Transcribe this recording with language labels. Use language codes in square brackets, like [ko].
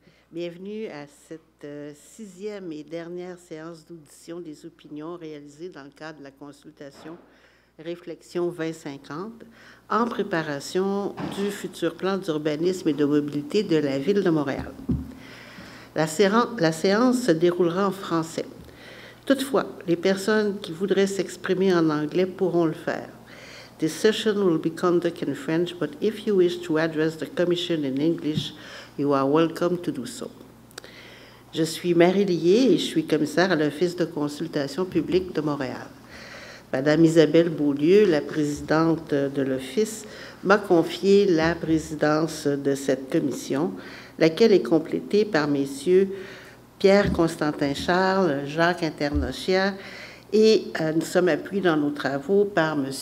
[fr] Bienvenue à cette sixième et dernière séance d'audition des opinions réalisée dans le cadre de la consultation Réflexion 2050 en préparation du futur plan d'urbanisme et de mobilité de la Ville de Montréal. La séance se déroulera en français. Toutefois, les personnes qui voudraient s'exprimer en anglais pourront le faire. [en] This session will be conducted in French, but if you wish to address the commission in English, you are welcome to do so. [fr] Je suis Marie Lillier et je suis commissaire à l'Office de consultation publique de Montréal. Madame Isabelle Beaulieu, la présidente de l'Office, m'a confié la présidence de cette commission, laquelle est complétée par messieurs Pierre-Constantin Charles, Jacques Internochia, et nous sommes appuyés dans nos travaux par M.